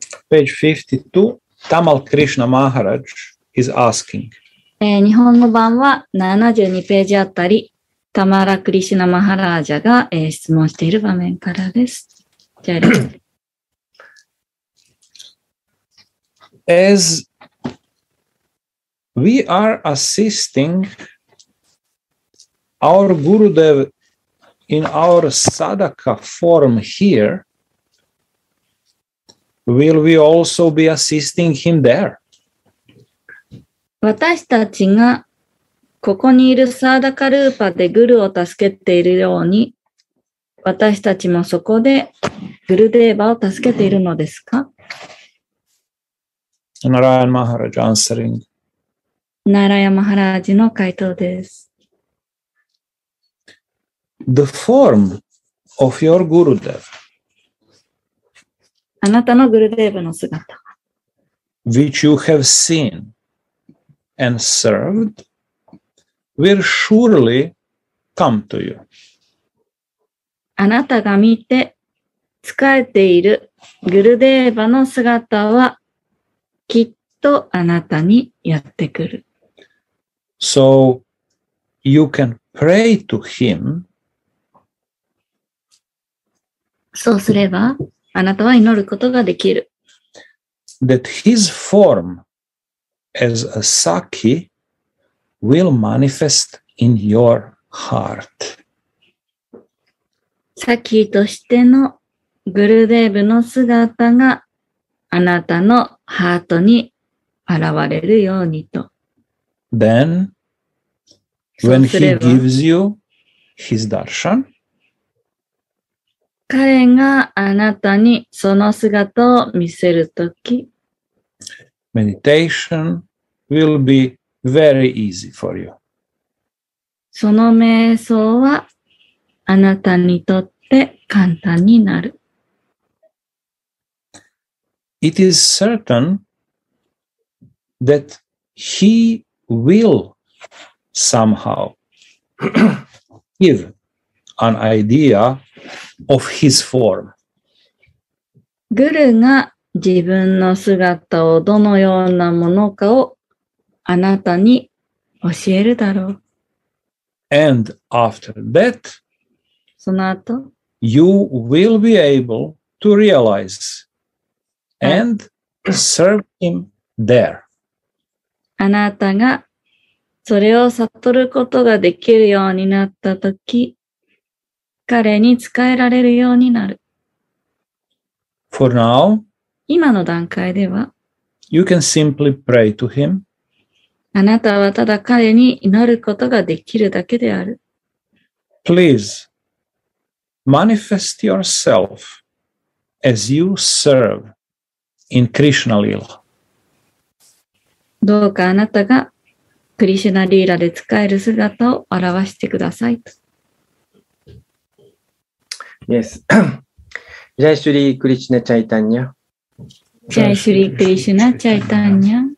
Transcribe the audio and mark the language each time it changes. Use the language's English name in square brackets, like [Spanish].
[English] Page 52, Tamal Krishna Maharaj is asking. [Japanese] 日本語版は72ページあたり、タマラ・クリシュナ・マハラージャが質問している場面からです。じゃあ、 [English] As we are assisting our Gurudev in our sadhaka form here, will we also be assisting him there? [Japanese] 私たちがここにいるサーダカルーパでグルを助けているように、私たちもそこでグルデーバを助けているのですか？ [English] ナラヤン・マハラジ answering. [Japanese] ナラヤン・マハラジの回答です。 [English] The form of your Gurudev. [Japanese] あなたのグルデーバの姿。 [English] Which you have seen and served will surely come to you. [Japanese] あなたが見て仕えているグルデーバの姿はきっとあなたにやってくる。 [English] So you can pray to him. [Japanese] そうすればあなたは祈ることができる。 [English] That his form as a Sakhi will manifest in your heart. [Japanese] サキとしてのグルデーブの姿があなたのハートに現れるようにと。 [English] Then, when he gives you his darshan, [Japanese] 彼があなたにその姿を見せるとき、 [English] meditation will be very easy for you. [Japanese] その瞑想はあなたにとって簡単になる。 [English] It is certain that he will somehow give an idea of his form. [Japanese] グルが自分の姿をどのようなものかをあなたに教えるだろう。 [English] And after that, [Japanese] その後、 [English] you will be able to realize and serve him there. [Japanese] あなたがそれを悟ることができるようになったとき、彼に仕えられるようになる。 [English] For now, [Japanese] 今の段階では、 [English] you can simply pray to him. [Japanese] あなたはただ彼に祈ることができるだけである。 [English] Please manifest yourself as you serve in Krishna Lila. [Japanese] どうかあなたがクリシュナリーラで使える姿を表してください。 [Sanskrit] Yes. Jai Shri Krishna Chaitanya. Jai Shri Krishna Chaitanya.